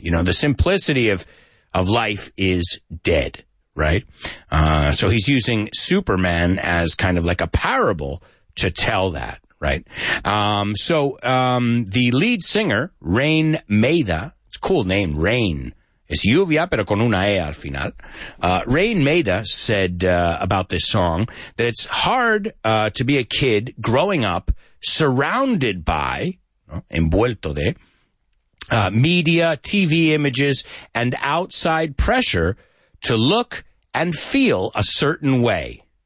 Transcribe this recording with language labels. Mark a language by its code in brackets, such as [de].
[en] You know, the simplicity of life is dead, right? So he's using Superman as kind of like a parable to tell that. Right. The lead singer, Rain Maida, it's a cool name, Rain. [es] Es lluvia, pero con una E al final. [en] Rain Maida said about this song that it's hard to be a kid growing up surrounded by, [es] ¿no? envuelto de, [en] media, TV images, and outside pressure to look and feel a certain way.